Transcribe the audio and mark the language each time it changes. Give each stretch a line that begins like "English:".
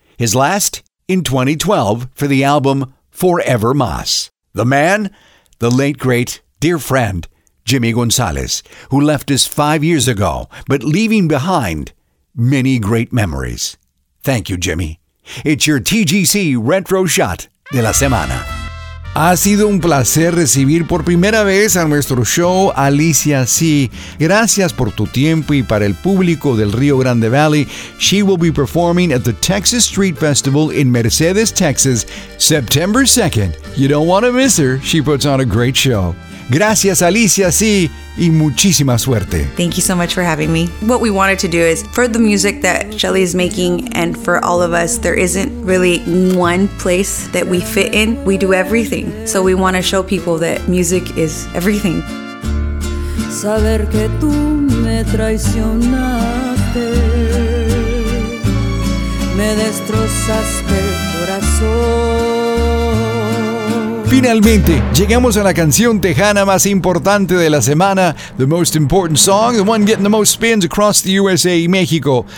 English: His last in 2012 for the album Forever Mas. The man, the late great dear friend Jimmy Gonzalez, who left us 5 years ago, but leaving behind many great memories. Thank you, Jimmy. It's your TGC Retro Shot de la Semana.
Spanish: Ha sido un placer recibir por primera vez a nuestro show Alicia C. Gracias por tu tiempo y para el público del Rio Grande Valley.
English: She will be performing at the Texas Street Festival in Mercedes, Texas, September 2nd. You don't want to miss her. She puts on a great show. Gracias, Alicia C.
Spanish: Y muchísima suerte.
English: Thank you so much for having me. What we wanted to do is, for the music that Shelly is making and for all of us, there isn't really one place that we fit in. We do everything. So we want to show people that music is everything.
Spanish: Saber que tú me traicionaste, me destrozaste el corazón. Finalmente, llegamos a la canción tejana más importante de la semana,
English: the most important song, the one getting the most spins across the USA
Spanish: y México.